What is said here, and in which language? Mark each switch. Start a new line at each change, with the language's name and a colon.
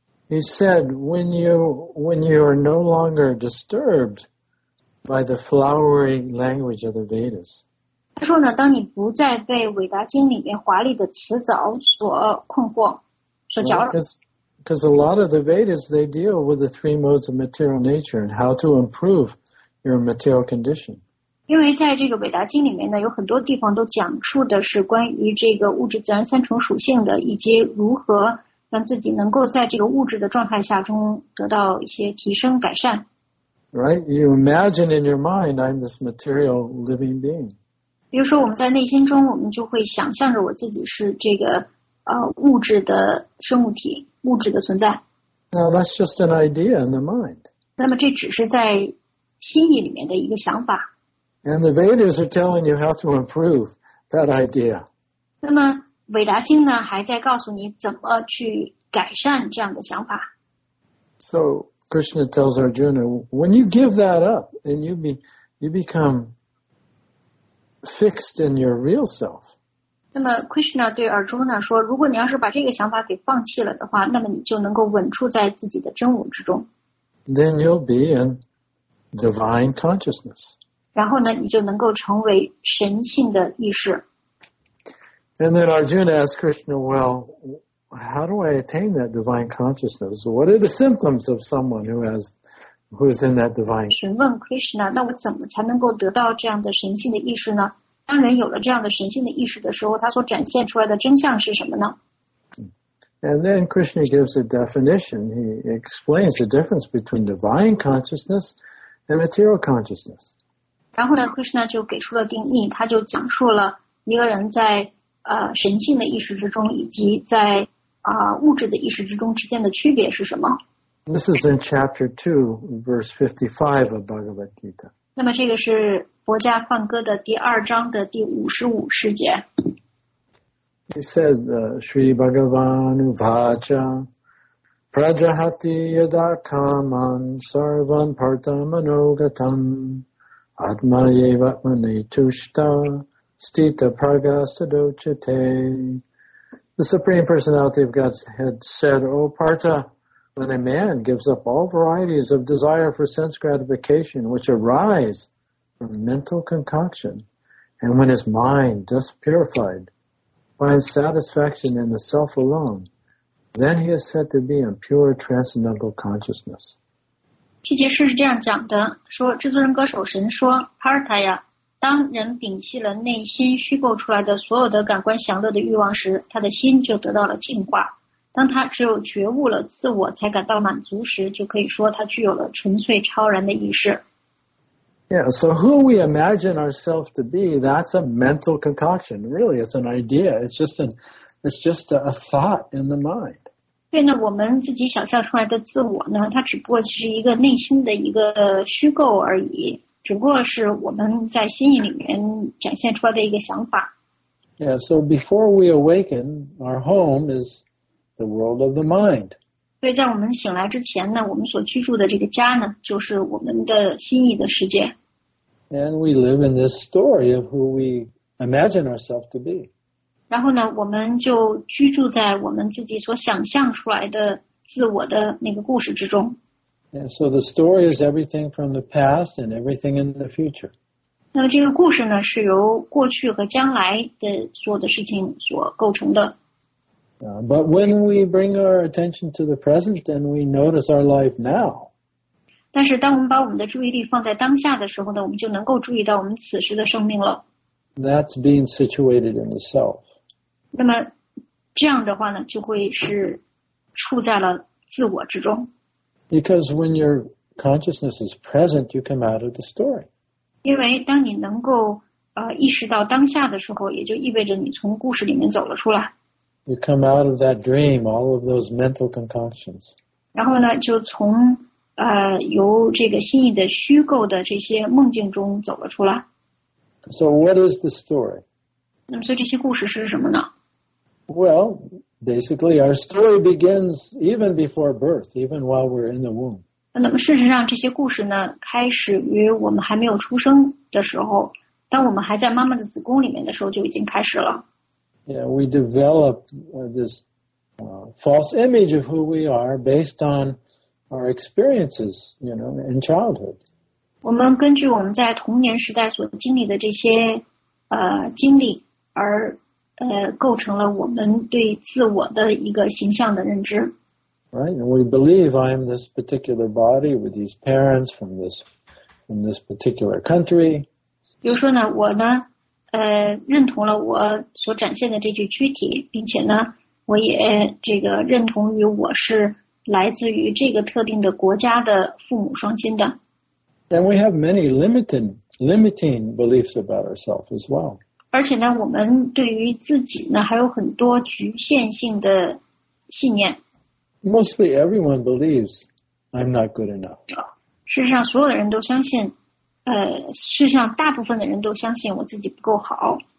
English: He said, when you are no longer disturbed, by the flowery language of the Vedas.
Chinese: 他说呢，当你不再被伟达经里面华丽的词藻所困惑，所搅扰。
English: Because a lot of the Vedas, they deal with the three modes of material nature and how to improve your material condition.
Chinese: 因为在这个伟达经里面呢，有很多地方都讲述的是关于这个物质自然三重属性的，以及如何让自己能够在这个物质的状态下中得到一些提升改善。
English: Right, you imagine in your mind, I'm this material living being.
Chinese: 比如说我们在内心中，我们就会想象着我自己是这个物质的生物体，物质的存在。
English: Now that's just an idea in the mind.
Chinese: 那么这只是在心意里面的一个想法。
English: And the Vedas are telling you how to improve that idea.
Chinese: 那么伟达经呢，还在告诉你怎么去改善这样的想法。
English: So Krishna tells Arjuna, when you give that up, then you become fixed in your real self.
Chinese: 那么 Krishna 对 Arjuna 说，如果你要是把这个想法给放弃了的话，那么你就能够稳住在自己的真我之中。
English: Then you'll be in divine consciousness.
Chinese: 然后呢，你就能够成为神性的意识。
English: And then Arjuna asks Krishna, well, how do I attain that divine consciousness? What are the symptoms of someone who is in that divine?
Chinese: 询问 Krishna, 那我怎么才能够得到这样的神性的意识呢？当人有了这样的神性的意识的时候，他所展现出来的真相是什么呢？
English: And then Krishna gives a definition. He explains the difference between divine consciousness and material consciousness.
Chinese: 然后呢 ，Krishna 就给出了定义，他就讲述了一个人在神性的意识之中以及在物质的意识之中之间的区别是什么。
English: This is in chapter 2, verse 55 of Bhagavad Gita.
Chinese: 那么这个是。佛家梵歌的第二章的第五十五世界。
Sanskrit: He says, Sri Bhagavan Uvacha, Prajahati Yadakaman Sarvan Partamanogatam Atma Yevatmane Tushta Stita Pragasadochate.
English: The Supreme Personality of God had said, O Partha, when a man gives up all varieties of desire for sense gratification which arise,from mental concoction, and when his mind, thus purified, finds satisfaction in the self alone, then he is said to be in pure transcendental consciousness.
Chinese: 这节是这样讲的，说至尊歌手神说 ，Partha 呀，当人摒弃了内心虚构出来的所有的感官享乐的欲望时，他的心就得到了净化。当他只有觉悟了自我才感到满足时，就可以说他具有了纯粹超然的意识。
English: Yeah, so who we imagine ourselves to be, that's a mental concoction. Really, it's an idea. It's just a thought in the mind.
Chinese: 对，那我们自己想象出来的自我呢，它只不过是一个内心的一个虚构而已，只不过是我们在心意里面展现出来的一个想法。
English: Yeah, so before we awaken, our home is the world of the mind.
Chinese: 所以在我们醒来之前呢，我们所居住的这个家呢，就是我们的心意的世界。
English: And we live in this story of who we imagine ourselves to be.
Chinese: 然后呢，我们就居住在我们自己所想象出来的自我的那个故事之中。
English: And so the story is everything from the past and everything in the future.
Chinese: 那么这个故事呢，是由过去和将来的所有的事情所构成的。
English: But when we bring our attention to the present, then we notice our life now.
Chinese: 但是当我们把我们的注意力放在当下的时候呢，我们就能够注意到我们此时的生命了。
English: That's being situated in the self.
Chinese: 那么这样的话呢，就会是处在了自我之中。
English: Because when your consciousness is present, you come out of the story.
Chinese: 因为当你能够意识到当下的时候，也就意味着你从故事里面走了出来。
English: You come out of that dream, all of those mental concoctions.
Chinese: 然后呢，就从由这个心意的虚构的这些梦境中走了出来。
English: So what is the story?
Chinese: 那么，所以这些故事是什么呢？
English: Well, basically, our story begins even before birth, even while we're in the womb.
Chinese: 那么，事实上，这些故事呢，开始于我们还没有出生的时候，当我们还在妈妈的子宫里面的时候，就已经开始了。
English: Yeah, we develop this false image of who we are based on our experiences, you know, in childhood.
Chinese: 我们根据我们在童年时代所经历的这些经历而构成了我们对自我的一个形象的认知。
English: Right, and we believe I'm this particular body with these parents from this particular country.
Chinese: 比如说呢，我呢，认同了我所展现的这具躯体，并且呢，我也这个认同于我是来自于这个特定的国家的父母双亲的。
English: And we have many limiting beliefs about ourselves as well.
Chinese: 而且呢，我们对于自己呢，还有很多局限性的信念。
English: Mostly everyone believes I'm not good enough.
Chinese: 事实上，所有的人都相信，事实上大部分的人都相信我自己不够好。